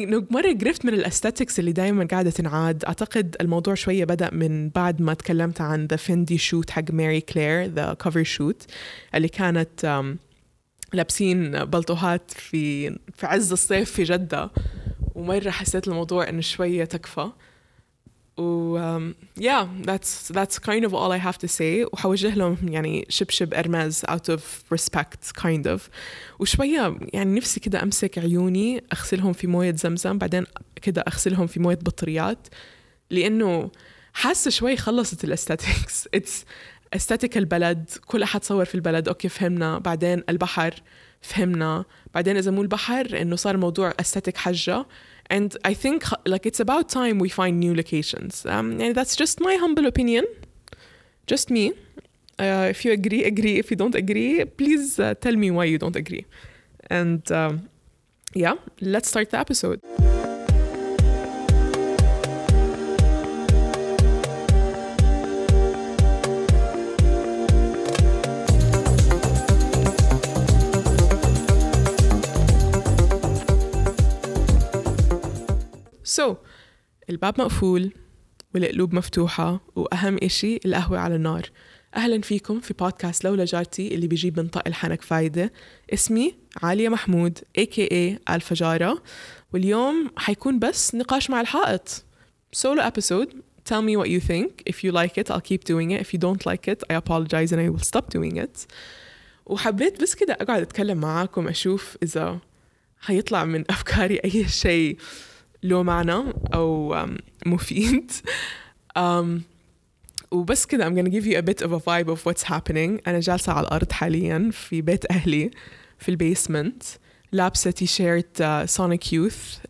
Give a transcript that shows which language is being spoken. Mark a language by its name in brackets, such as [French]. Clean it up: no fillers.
[Arabic] مرة قرفت من الأستاتيكس اللي دايماً قاعدة تنعاد. أعتقد الموضوع شوية بدأ من بعد ما تكلمت عن [English] the Fendi shoot [Arabic] حق ماري كلير، [English] the cover shoot [Arabic] اللي كانت لابسين بلطوهات في عز الصيف في جدة، ومرة حسيت الموضوع إنه شوية تكفى. [English] Yeah, that's kind of all I have to say. [Arabic] وحوجه لهم يعني شبشب إرمز [English] out of respect kind of. [Arabic] وشوية يعني نفسي كده أمسك عيوني أغسلهم في موية زمزم بعدين كده أغسلهم في موية بطريات، لأنه حاسة شوي خلصت الأستاتيكس. [English] It's [Arabic] أستاتيك البلد، كل أحد صور في البلد أوكي فهمنا، بعدين البحر فهمنا، بعدين إذا مو البحر إنه صار موضوع أستاتيك حجة. [English] And I think like it's about time we find new locations. And that's just my humble opinion, just me. If you agree, agree. If you don't agree, please tell me why you don't agree. And yeah, let's start the episode. So, [Arabic] الباب مقفول والقلوب مفتوحة، وأهم إشي القهوة على النار. أهلا فيكم في بودكاست لولا جارتي اللي بيجيب من طق الحنك فايدة. اسمي عالية محمود aka الفجارة، واليوم حيكون بس نقاش مع الحائط، [English] solo episode. Tell me what you think. If you like it I'll keep doing it. If you don't like it I apologize and I will stop doing it. [Arabic] وحبيت بس كده أقعد أتكلم معاكم أشوف إذا حيطلع من أفكاري أي شيء لو معنى أو مفيد. وبس كده [English] I'm gonna give you a bit of a vibe of what's happening. [Arabic] أنا جالسة على الأرض حاليا في بيت أهلي في البيسمنت، لابسة تيشيرت Sonic Youth.